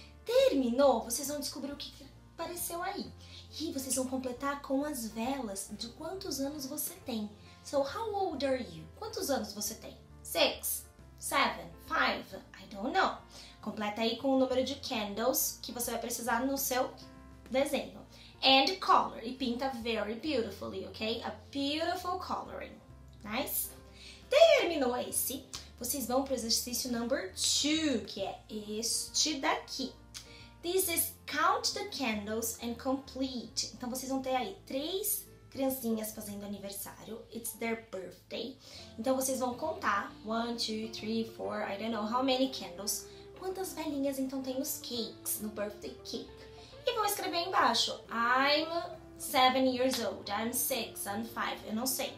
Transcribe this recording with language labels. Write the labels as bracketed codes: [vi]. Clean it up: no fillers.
[pt] Terminou, vocês vão descobrir o que apareceu aí. E vocês vão completar com as velas de quantos anos você tem. [en] So, how old are you? [pt] Quantos anos você tem? [en] 6, 7, 5, I don't know. [pt] Completa aí com o número de candles que você vai precisar no seu desenho. [en] And color. [pt] E pinta [en] very beautifully, ok? A beautiful coloring. Nice? [pt] Terminou esse. Vocês vão pro exercício number 2, que é este daqui. [en] This is count the candles and complete. [pt] Então, vocês vão ter aí três criancinhas fazendo aniversário. [en] It's their birthday. [pt] Então, vocês vão contar [en] 1, 2, 3, 4, I don't know how many candles. [pt] Quantas velhinhas, então, tem os cakes no birthday cake? E vão escrever embaixo. [en] I'm 7 years old. I'm 6. I'm 5. [pt] Eu não sei.